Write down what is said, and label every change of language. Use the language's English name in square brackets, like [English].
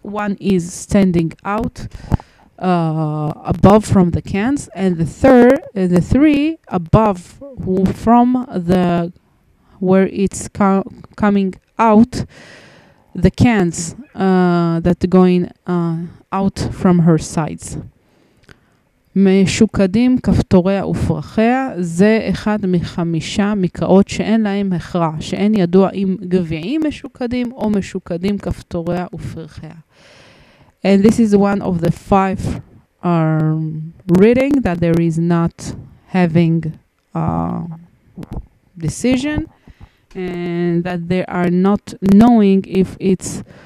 [English] One is standing out above from the cans, and the third, the three above from the where it's coming out the cans, that going out from her sides. [Hebrew] משוקדים כפתוריה ופרחיה, זה אחד מחמישה מקראות שאין להם הכרע, שאין ידוע אם גביעים משוקדים או משוקדים כפתוריה ופרחיה. [English] And this is one of the five reading that there is not having decision, and that they are not knowing if it's